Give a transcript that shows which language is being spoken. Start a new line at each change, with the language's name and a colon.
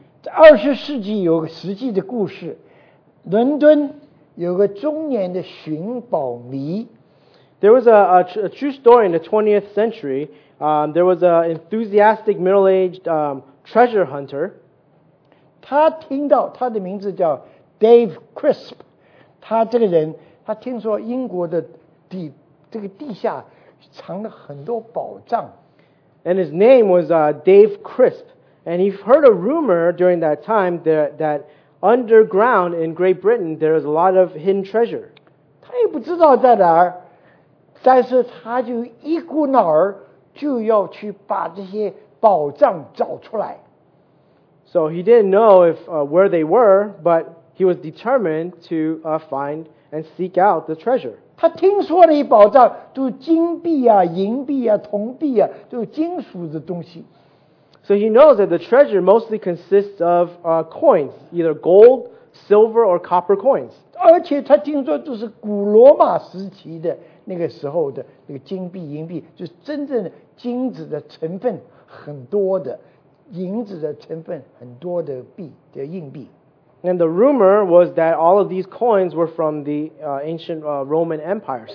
Chinese: 二十世纪有个实际的故事，伦敦有个中年的寻宝迷。
English: There was a true story in the 20th century. There was an enthusiastic middle-aged treasure hunter.
Chinese: 他听到他的名字叫 Dave Crisp， 他这个人，他听说英国的地下藏了很多宝藏。
English: And his name was Dave Crisp, and he heard a rumor during that time that underground in Great Britain there is a lot of hidden treasure.
Chinese: 他也不知道在哪儿，但是他就一股脑儿就要去把这些宝藏找出来。
English: So he didn't know where they were, but He was determined to find and seek out the treasure.
Chinese: 他听说了一宝藏，就是金币啊、银币啊、铜币啊，就是金属的东西。
English: So he knows that the treasure mostly consists of coins, either gold, silver, or copper coins.
Chinese: 而且他听说就是古罗马时期的那个时候的那个金币、银币，就是真正的金子的成分很多的，银子的成分很多的币的硬币。
English: And the rumor was that all of these coins were from the ancient Roman Empire.